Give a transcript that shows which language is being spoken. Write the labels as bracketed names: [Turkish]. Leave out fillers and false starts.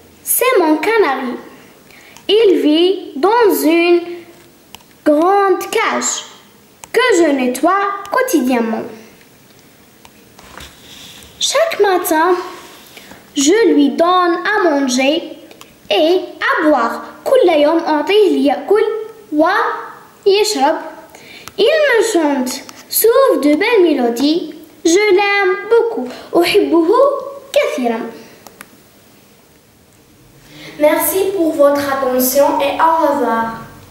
[French] C'est mon canari. Il vit dans une grande cage que je nettoie quotidiennement. Chaque matin, je lui donne à manger et à boire. [Arabic] كل يوم أعطيه ليأكل ويشرب. [French] Il me chante. Sauf de belles mélodies, je l'aime beaucoup. [Arabic] أحبه كثيرا. [French] Merci pour votre attention et au revoir.